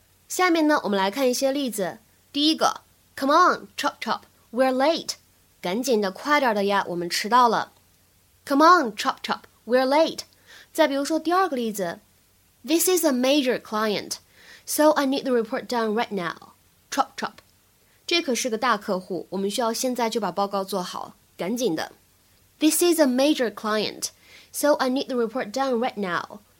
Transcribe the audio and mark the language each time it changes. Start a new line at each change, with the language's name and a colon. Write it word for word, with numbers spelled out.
Chinese: 下面呢，我们来看一些例子。第一个
English: ，Come on, chop chop, we're late.
Chinese: 赶紧的，快点的呀，我们迟到了。
English: Come on, chop chop, we're late.
Chinese: 再比如说第二个例子
English: ，This is a major client, so I need the report done right now. Chop chop.
Chinese: 这可是个大客户，我们需要现在就把报告做好，赶紧的。
English: This is a major client, so I need the report done right now.